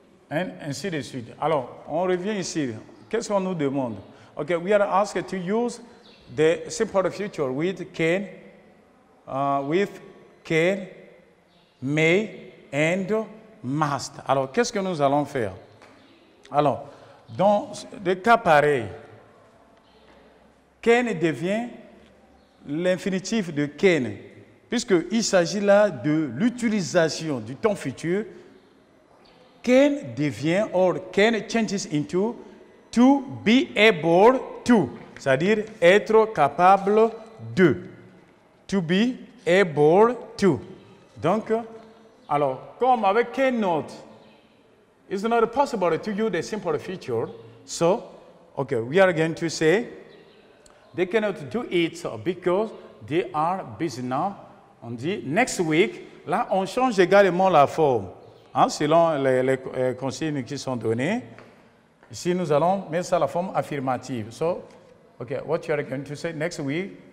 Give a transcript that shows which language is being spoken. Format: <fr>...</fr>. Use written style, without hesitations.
<fr>And ainsi de suite. Alors, on revient ici. Qu'est-ce qu'on nous demande?</fr> <en>Okay, we are asked to use the simple future with can, may, and must.</en> <fr>Alors, qu'est-ce que nous allons faire? Alors, dans des cas pareils, can devient l'infinitif de can, puisqu'il s'agit là de l'utilisation du temps futur. Can devient,</fr> <en>or can changes into, to be able to,</en> <fr>c'est-à-dire être capable de,</fr> <en>to be able to.</en> <fr>Donc, alors, comme avec</fr> <en>cannot, it's not possible to use the simple future. So, okay, we are going to say, they cannot do it because they are busy now.</en> <fr>On dit,</fr> <en>next week,</en> <fr>là, on change également la forme. Hein, selon les consignes qui sont données, ici nous allons mettre ça à la forme affirmative.</fr> <en>So, okay, what you are going to say next week?</en>